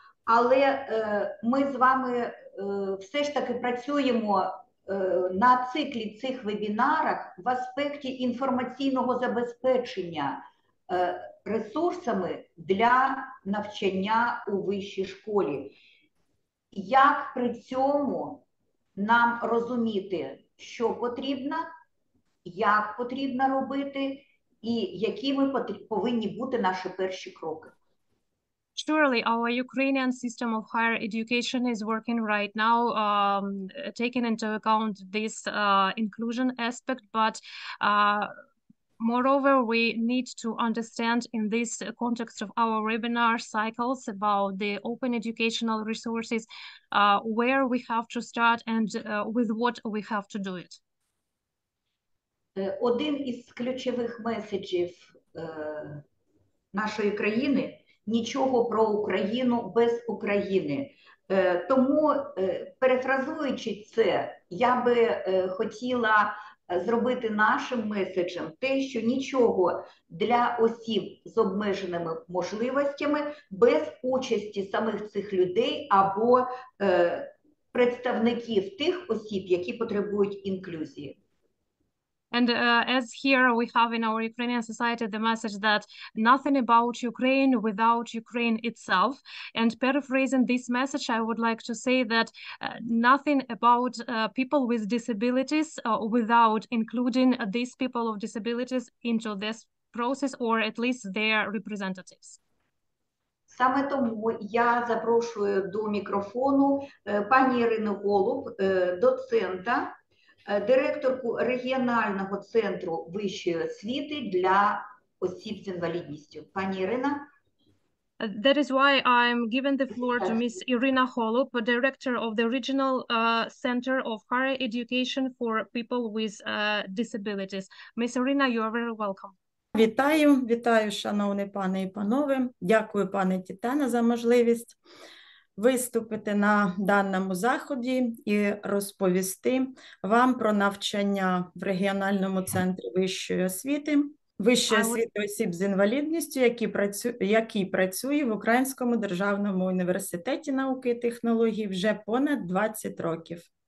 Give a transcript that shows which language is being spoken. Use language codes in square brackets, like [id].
[uk] Але ми з вами все ж таки працюємо на циклі цих вебінарах в аспекті інформаційного забезпечення ресурсами для навчання у вищій школі. Як при цьому нам розуміти, що потрібно, як потрібно робити, і якими повинні бути наші перші кроки? [en] Surely, our Ukrainian system of higher education is working right now, taking into account this inclusion aspect. But moreover, we need to understand in this context of our webinar cycles about the open educational resources, where we have to start and with what we have to do it. [uk] Один із ключових меседжів нашої країни – нічого про Україну без України. Тому, перефразуючи це, я би хотіла зробити нашим меседжем те, що нічого для осіб з обмеженими можливостями без участі самих цих людей або представників тих осіб, які потребують інклюзії. [en] And as here we have in our Ukrainian society the message that nothing about Ukraine without Ukraine itself. And paraphrasing this message, I would like to say that nothing about people with disabilities without including these people of disabilities into this process or at least their representatives. [uk] Саме тому я запрошую до мікрофону пані Ірину Голуб, доцента, директорку регіонального центру вищої освіти для осіб з інвалідністю. Пані Ірина. [en] That is why I'm giving the floor to Ms. Irina Holub, director of the Regional Center of Higher Education for People with Disabilities. Ms. Ірина, you are very welcome. [uk] Вітаю, вітаю, шановні пане і панове. Дякую, пане Тетяно, за можливість виступити на даному заході і розповісти вам про навчання в регіональному центрі вищої освіти осіб з інвалідністю, який працює в Українському державному університеті науки і технологій вже понад 20 років.